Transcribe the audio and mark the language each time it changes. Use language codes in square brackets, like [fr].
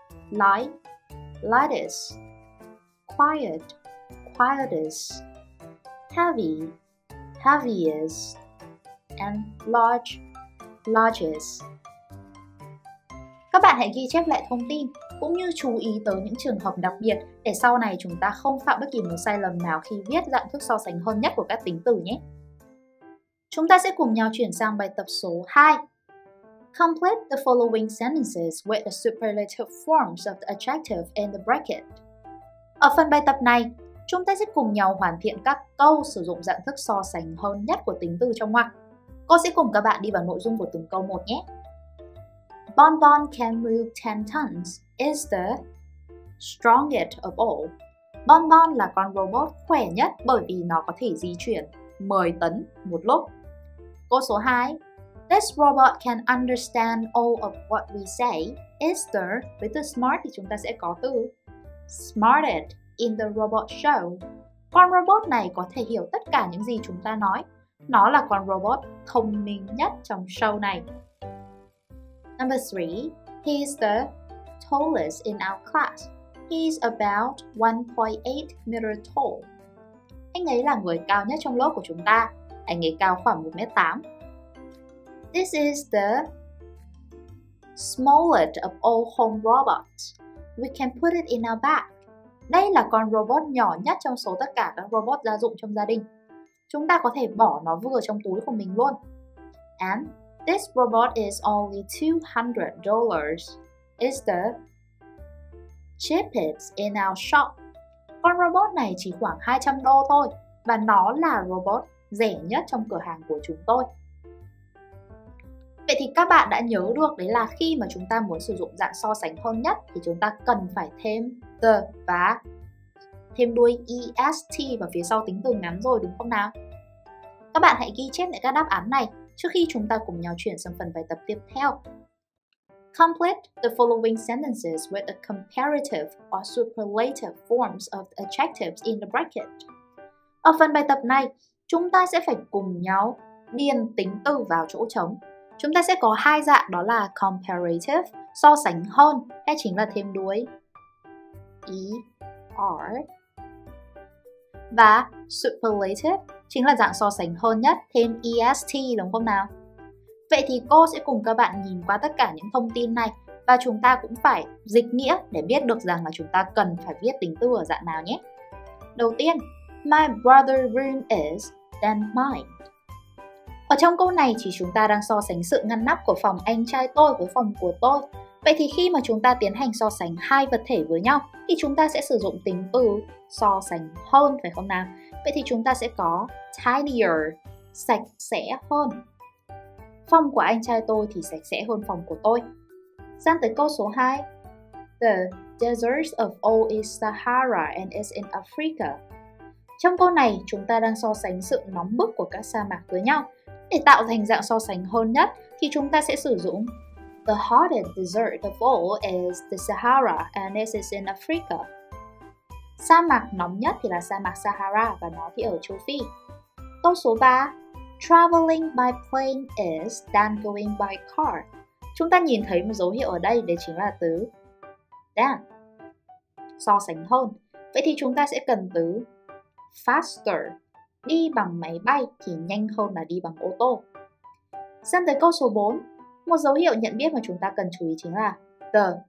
[en] Light, lightest, quiet, quietest, heavy, heaviest, and large, largest. [vi] Các bạn hãy ghi chép lại thông tin cũng như chú ý tới những trường hợp đặc biệt để sau này chúng ta không phạm bất kỳ một sai lầm nào khi viết dạng thức so sánh hơn nhất của các tính từ nhé. Chúng ta sẽ cùng nhau chuyển sang bài tập số 2. [en] Complete the following sentences with the superlative forms of the adjective in the bracket. [vi] Ở phần bài tập này, chúng ta sẽ cùng nhau hoàn thiện các câu sử dụng dạng thức so sánh hơn nhất của tính từ trong ngoặc. Cô sẽ cùng các bạn đi vào nội dung của từng câu một nhé. [en] Bonbon can move 10 tons is the strongest of all. [vi] Bonbon là con robot khỏe nhất bởi vì nó có thể di chuyển 10 tấn một lúc. Câu số 2. [en] This robot can understand all of what we say. Is the, with the smart [vi] thì chúng ta sẽ có từ [en] smartest in the robot show. [vi] Con robot này có thể hiểu tất cả những gì chúng ta nói. Nó là con robot thông minh nhất trong show này. [en] Number 3. He's the tallest in our class. He's about 1.8 meter tall. [vi] Anh ấy là người cao nhất trong lớp của chúng ta. Anh ấy cao khoảng 1.8 m. [en] This is the smallest of all home robots. We can put it in our bag. [vi] Đây là con robot nhỏ nhất trong số tất cả các robot gia dụng trong gia đình. chúng ta có thể bỏ nó vừa trong túi của mình luôn. [en] And this robot is only $200. It's the cheapest in our shop. [vi] Con robot này chỉ khoảng $200 thôi và nó là robot rẻ nhất trong cửa hàng của chúng tôi. Vậy thì các bạn đã nhớ được đấy là khi mà chúng ta muốn sử dụng dạng so sánh hơn nhất thì chúng ta cần phải thêm the và thêm đuôi est vào phía sau tính từ ngắn rồi đúng không nào? Các bạn hãy ghi chép lại các đáp án này trước khi chúng ta cùng nhau chuyển sang phần bài tập tiếp theo. [en] Complete the following sentences with the comparative or superlative forms of the adjectives in the bracket. [vi] Ở phần bài tập này, chúng ta sẽ phải cùng nhau điền tính từ vào chỗ trống. Chúng ta sẽ có hai dạng, đó là comparative, so sánh hơn, hay chính là thêm đuôi er, và superlative, chính là dạng so sánh hơn nhất, thêm est, đúng không nào? Vậy thì cô sẽ cùng các bạn nhìn qua tất cả những thông tin này và chúng ta cũng phải dịch nghĩa để biết được rằng là chúng ta cần phải viết tính từ ở dạng nào nhé. Đầu tiên, [en] my brother's room is than mine. [vi] Ở trong câu này thì chúng ta đang so sánh sự ngăn nắp của phòng anh trai tôi với phòng của tôi. Vậy thì khi mà chúng ta tiến hành so sánh hai vật thể với nhau thì chúng ta sẽ sử dụng tính từ so sánh hơn, phải không nào? Vậy thì chúng ta sẽ có tidier, sạch sẽ hơn. Phòng của anh trai tôi thì sạch sẽ hơn phòng của tôi. Sang tới câu số 2. [en] The desert of old is Sahara and is in Africa. [vi] Trong câu này, chúng ta đang so sánh sự nóng bức của các sa mạc với nhau. Để tạo thành dạng so sánh hơn nhất thì chúng ta sẽ sử dụng [en] the hottest desert of all is the Sahara and it is in Africa. [vi] Sa mạc nóng nhất thì là sa mạc Sahara và nó thì ở châu Phi. Câu số 3. [en] Traveling by plane is than going by car. [vi] Chúng ta nhìn thấy một dấu hiệu ở đây, đấy chính là từ than, so sánh hơn. Vậy thì chúng ta sẽ cần từ faster, đi bằng máy bay thì nhanh hơn là đi bằng ô tô. Sang tới câu số 4, một dấu hiệu nhận biết mà chúng ta cần chú ý chính là the.